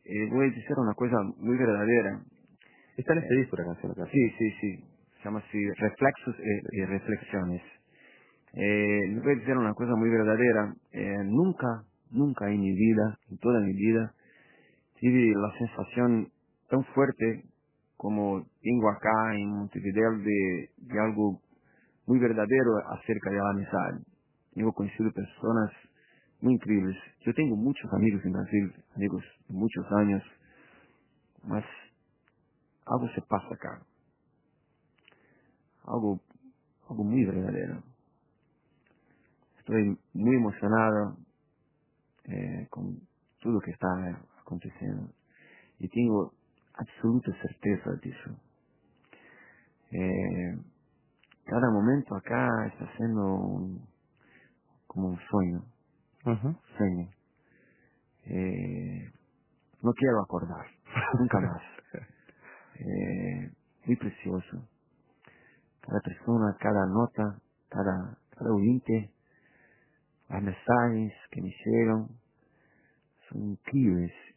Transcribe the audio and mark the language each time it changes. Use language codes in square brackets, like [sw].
[es] Voy a decir una cosa muy verdadera. Está en este disco la canción. Claro. Sí. Se llama así, Reflexos y Reflexiones. Voy a decir una cosa muy verdadera. Nunca en mi vida, [pt] en toda mi vida, tive a sensação tão forte como tenho acá em Montevideo de algo muito verdadeiro acerca da amizade. Tenho conhecido pessoas muito incríveis. Eu tenho muitos amigos em Brasil, amigos de muitos anos, mas algo se passa acá. Algo muito verdadeiro. Estou muito emocionado com tudo que está acontecendo. E tenho absoluta certeza disso. [es] cada momento acá está siendo un, como un sueño. Uh-huh. Sueño. No quiero acordar, nunca más. Muy precioso. Cada persona, cada nota, cada oyente, las mensajes que me hicieron, son increíbles.